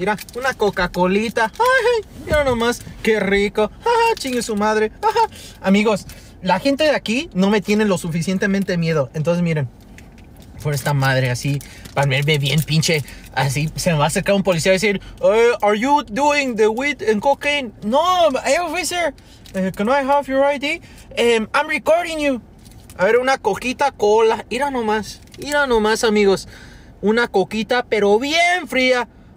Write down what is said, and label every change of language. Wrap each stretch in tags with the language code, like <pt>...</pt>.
<es>Mira, una Coca-Colita. Ay, mira nomás, qué rico. Ajá, chingue su madre. Ajá. Amigos, la gente de aquí no me tiene lo suficientemente miedo. Entonces, miren. por esta madre, así, para verme bien pinche, así, se me va a acercar un policía a decir,</es> <en>are you doing the weed and cocaine? No, hey, officer, can I have your ID? I'm recording you.</en> <es>A ver, una coquita cola, mira nomás, amigos, una coquita, pero bien fría.</es>